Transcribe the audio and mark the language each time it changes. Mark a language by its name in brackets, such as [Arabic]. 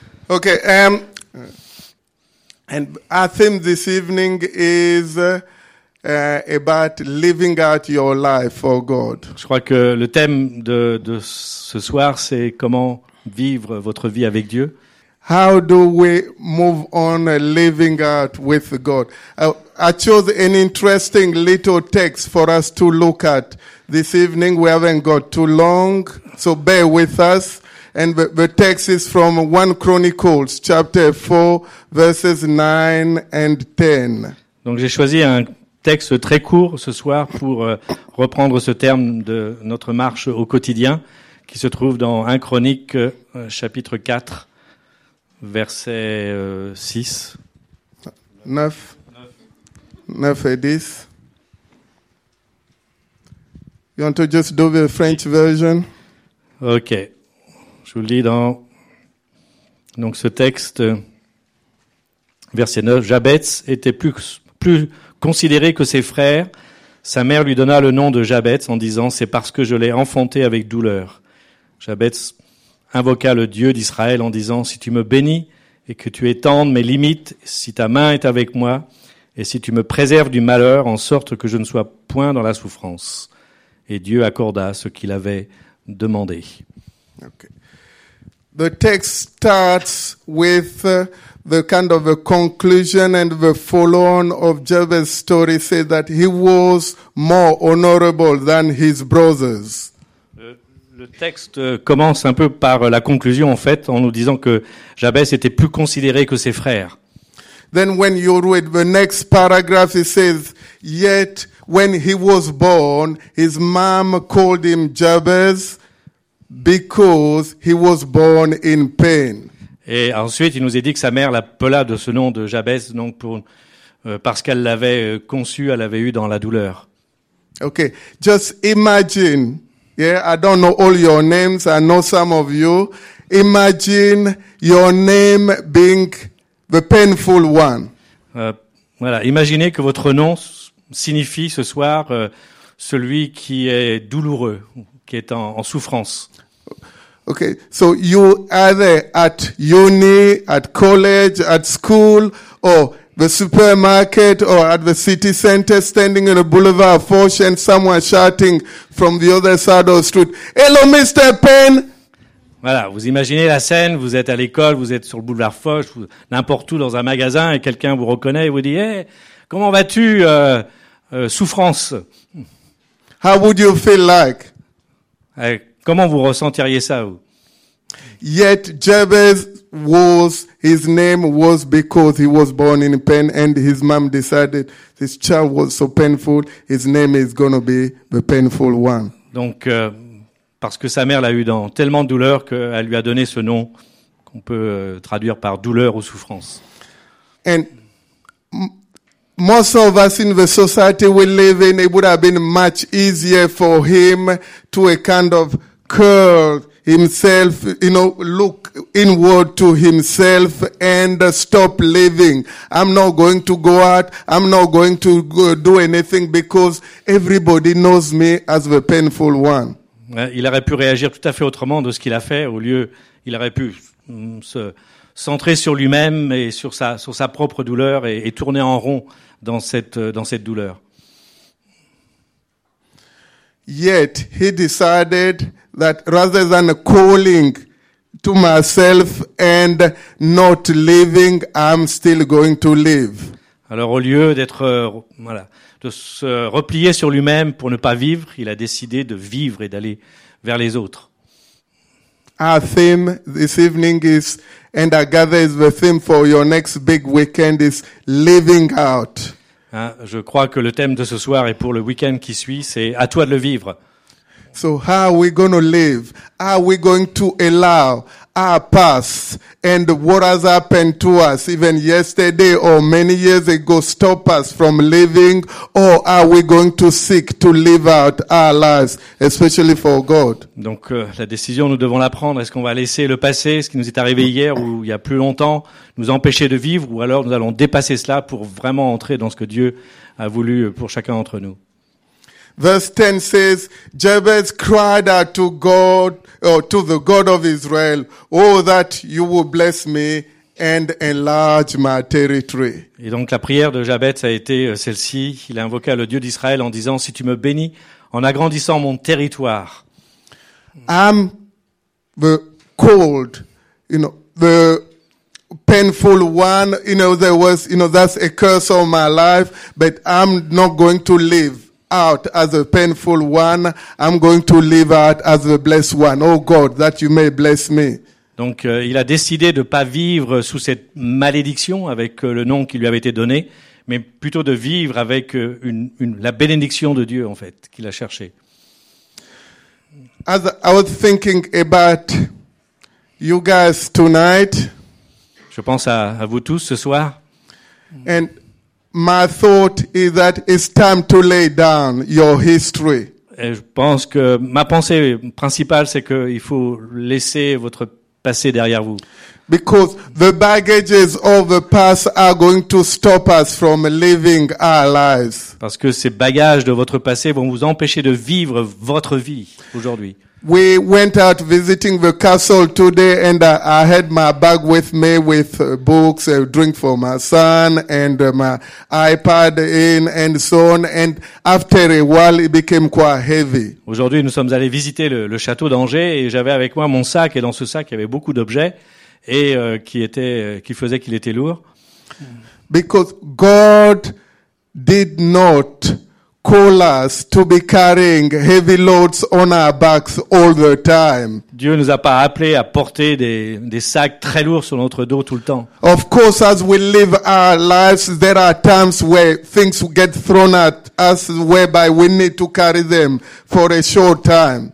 [English] Okay, and our theme this evening is about living out your life for God. [French] Je crois que le thème de ce soir, c'est comment vivre votre vie avec Dieu. [English] How do we move on living out with God? I chose an interesting little text for us to look at this evening. We haven't got too long, so bear with us. And the text is from 1 Chronicles, chapter 4, verses 9 and 10. [French] Donc j'ai choisi un texte très court ce soir pour reprendre ce terme de notre marche au quotidien qui se trouve dans 1 Chronique, chapitre 4, verset 6. 9 et 10. [English] You want to just do the French version? Okay. [French] Je vous le lis dans donc ce texte, verset 9. Jabez était plus considéré que ses frères. Sa mère lui donna le nom de Jabez en disant « C'est parce que je l'ai enfanté avec douleur ». Jabez invoqua le Dieu d'Israël en disant « Si tu me bénis et que tu étendes mes limites, si ta main est avec moi et si tu me préserves du malheur en sorte que je ne sois point dans la souffrance. » Et Dieu accorda ce qu'il avait demandé. [English] Okay. The text starts with the kind of a conclusion and the follow-on of Jabez's story says that he was more honorable than his brothers. [French] Le texte commence un peu par la conclusion, en fait, en nous disant que Jabez était plus considéré que ses frères. [English] Then when you read the next paragraph, it says, yet when he was born, his mom called him Jabez because he was born in pain. [French] Et ensuite, il nous est dit que sa mère l'appela de ce nom de Jabez, donc pour, parce qu'elle l'avait conçu, elle l'avait eu dans la douleur. [English] Okay, just imagine. Yeah, I don't know all your names. I know some of you. Imagine your name being the painful one. [French] Voilà, imaginez que votre nom signifie ce soir celui qui est douloureux, qui est en souffrance. [English] Okay, so you either at uni, at college, at school, or the supermarket, or at the city center, standing in a boulevard, Foch, and someone shouting from the other side of the street, "Hello, Mr. Payne." [French] Voilà, vous imaginez la scène. Vous êtes à l'école, vous êtes sur le boulevard Foch, n'importe où dans un magasin, et quelqu'un vous reconnaît et vous dit, "Hey, comment vas-tu, souffrance?" [English] How would you feel like? [French] Comment vous ressentiriez ça, vous? [English] Yet Jabez was, his name was because he was born in pain and his mom decided this child was so painful, his name is going to be the painful one. [French] Donc, parce que sa mère l'a eu dans tellement de douleur qu'elle lui a donné ce nom qu'on peut traduire par douleur ou souffrance. [English] And most of us in the society we live in, it would have been much easier for him to a kind of curl himself, you know, look inward to himself and stop living. I'm not going to go out. I'm not going to do anything because everybody knows me as the painful one. [French] Il aurait pu réagir tout à fait autrement de ce qu'il a fait. Au lieu, il aurait pu se centrer sur lui-même et sur sa propre douleur et tourner en rond dans cette douleur. [English] Yet he decided that rather than calling to myself and not living, I'm still going to live. [French] Alors au lieu d'être de se replier sur lui-même pour ne pas vivre, il a décidé de vivre et d'aller vers les autres. [English] Our theme this evening is, and I gather is the theme for your next big weekend, is living out. [French] Je crois que le thème de ce soir et pour le week-end qui suit, c'est à toi de le vivre. [English] So how are we going to live? Are we going to allow our past and what has happened to us even yesterday or many years ago stop us from living, or are we going to seek to live out our lives, especially for God? [French] Donc la décision, nous devons la prendre. Est-ce qu'on va laisser le passé, ce qui nous est arrivé hier ou il y a plus longtemps, nous empêcher de vivre, ou alors nous allons dépasser cela pour vraiment entrer dans ce que Dieu a voulu pour chacun d'entre nous? [English] Verse 10 says, Jabez cried out to God, or to the God of Israel, "Oh, that you will bless me and enlarge my territory." [French] Et donc la prière de Jabez a été celle-ci. Il a invoqué le Dieu d'Israël en disant, "Si tu me bénis en agrandissant mon territoire." [English] I'm the cold, you know, the painful one. You know, there was, you know, that's a curse of my life, but I'm not going to live out as a painful one. I'm going to live out as a blessed one. Oh God, that you may bless me. [French] Donc il a décidé de pas vivre sous cette malédiction avec le nom qui lui avait été donné, mais plutôt de vivre avec la bénédiction de Dieu, en fait, qu'il a cherché. [English] As I was thinking about you guys tonight, [French] je pense à vous tous ce soir. [English] And my thought is that it's time to lay down your history. [French] Et je pense que ma pensée principale, c'est que il faut laisser votre passé derrière vous. [English] Because the baggages of the past are going to stop us from living our lives. [French] Parce que ces bagages de votre passé vont vous empêcher de vivre votre vie aujourd'hui. [English] We went out visiting the castle today, and I had my bag with me with books, a drink for my son, and my iPad in, and so on. And after a while, it became quite heavy. [French] Aujourd'hui, nous sommes allés visiter le château d'Angers, et j'avais avec moi mon sac, et dans ce sac, il y avait beaucoup d'objets, et qui faisait qu'il était lourd. [English] Because God did not call us to be carrying heavy loads on our backs all the time. [French] Dieu nous a pas appelé à porter des sacs très lourds sur notre dos tout le temps. [English] Of course, as we live our lives, there are times where things get thrown at us whereby we need to carry them for a short time.